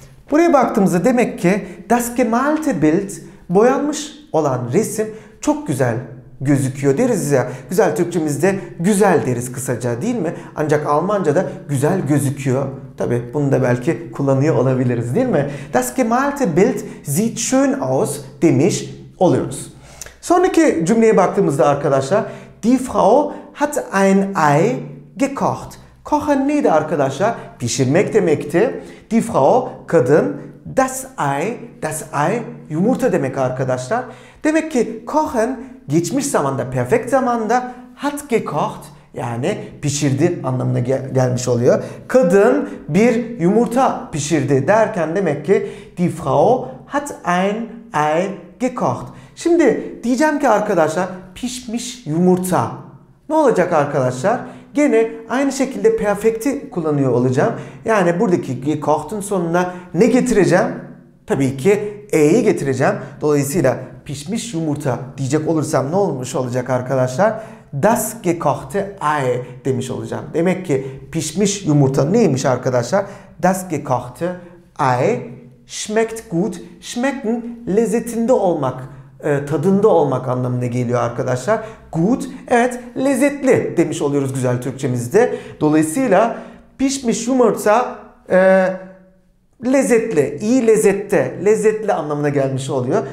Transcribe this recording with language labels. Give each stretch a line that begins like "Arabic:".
Turkish: Buraya baktığımızda demek ki
German: das gemalte Bild,
Turkish: boyanmış olan resim çok güzel gözüküyor deriz ya. Güzel Türkçemizde güzel deriz kısaca değil mi? Ancak Almanca'da güzel gözüküyor. Tabii bunu da belki kullanıyor olabiliriz değil mi?
German: Das gemalte Bild sieht schön aus
Turkish: demiş oluyoruz. Sonraki cümleye baktığımızda arkadaşlar
German: die Frau hat ein Ei gekocht.
Turkish: Kochen neydi arkadaşlar? Pişirmek demekti.
German: Die Frau,
Turkish: kadın,
German: das Ei,
Turkish: yumurta demek arkadaşlar. Demek ki kochen, geçmiş zamanda, perfect zamanda,
German: hat gekocht,
Turkish: yani pişirdi anlamına gelmiş oluyor. Kadın bir yumurta pişirdi derken demek ki
German: die Frau hat ein Ei gekocht.
Turkish: Şimdi diyeceğim ki arkadaşlar, pişmiş yumurta. Ne olacak arkadaşlar? Gene aynı şekilde perfekti kullanıyor olacağım. Yani buradaki gekocht'un sonuna ne getireceğim? Tabii ki e'yi getireceğim. Dolayısıyla pişmiş yumurta diyecek olursam ne olmuş olacak arkadaşlar?
German: Das gekochte Ei
Turkish: demiş olacağım. Demek ki pişmiş yumurta neymiş arkadaşlar?
German: Das gekochte Ei schmeckt gut.
Turkish: Schmecken lezzetinde olmak. Tadında olmak anlamına geliyor arkadaşlar. Good, evet lezzetli demiş oluyoruz güzel Türkçemizde. Dolayısıyla pişmiş yumurta lezzetli, iyi lezzette, lezzetli anlamına gelmiş oluyor.